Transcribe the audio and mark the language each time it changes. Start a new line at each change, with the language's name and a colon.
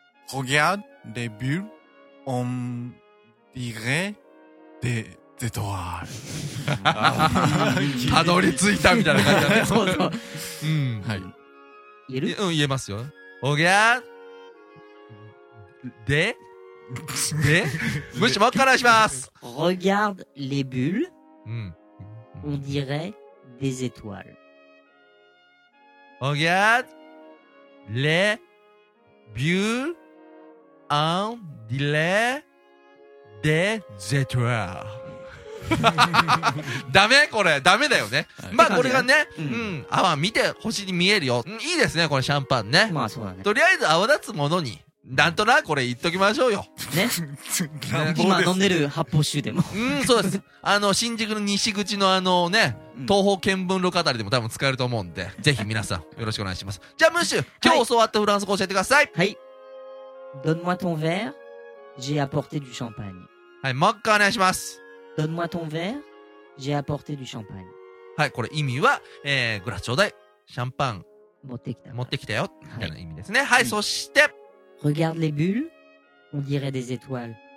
French: Regarde les bulles, on dirait des ゼトワール。
Japanese: たどり着いたみたいな感じだね。そうそう。うん。はい。言える？うん、言えますよ。おぎゃで、で、むしろもう一回お願いします。
French: Regarde les bulles.
Japanese: うん。
French: On dirait des étoiles. Regarde les bulles en dirait des étoiles.
Japanese: ダメこれ、ダメだよね。まあこれがね、うん、うん、泡見て星に見えるよ。いいですねこのシャンパンね。まあそうだね。とりあえず泡立つものに、なんとなくこれ言っときましょうよ。ね。ね今飲んでる発泡酒でも。うん、そうです。あの、新宿の西口のあのね、東方見聞録あたりでも多分使えると思うんで、ぜひ皆さんよろしくお願いします。じゃあ、ムッシュ、今日教わったフランス語教えてください。はい。
French: Donne-moi ton verre, j'ai apporté du champagne.
Japanese: はい、もう一回お願いします。
French: Donne-moi ton verre, j'ai apporté du champagne.
Japanese: はい、これ意味は、グラスちょうだい、シャンパン、持ってきた。持ってきたよ、みたいな意味ですね。はい、はい、そして、
French: Regarde les bulles, on dirait des étoiles.